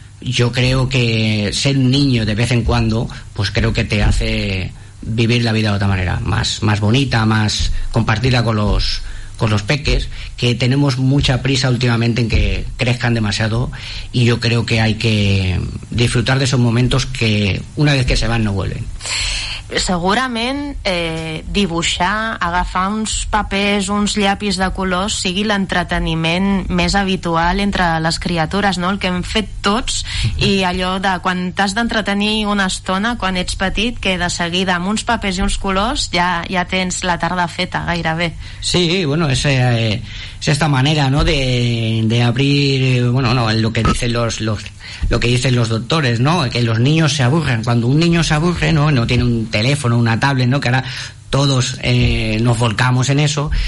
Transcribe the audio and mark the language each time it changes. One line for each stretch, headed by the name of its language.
Spanish: Yo creo que ser niño de vez en cuando, pues creo que te hace vivir la vida de otra manera, más bonita, más compartida con los peques, que tenemos mucha prisa últimamente en que crezcan demasiado, y yo creo que hay que disfrutar de esos momentos que una vez que se van no vuelven.
Catalan: Segurament dibuixar, agafar uns papers, uns llapis de colors, sigui l'entreteniment més habitual entre les criatures, no? El que hem fet tots, i allò de quan t'has d'entretenir una estona quan ets petit, que de seguida amb uns papers i uns colors ja tens la tarda feta gairebé.
Spanish: Sí, bueno, es esta manera, ¿no? De abrir, bueno, no, lo que dicen lo que dicen los doctores, ¿no? Que los niños se aburren. Cuando un niño se aburre, ¿no? No tiene un teléfono, una tablet, ¿no? Que ahora todos nos volcamos en eso.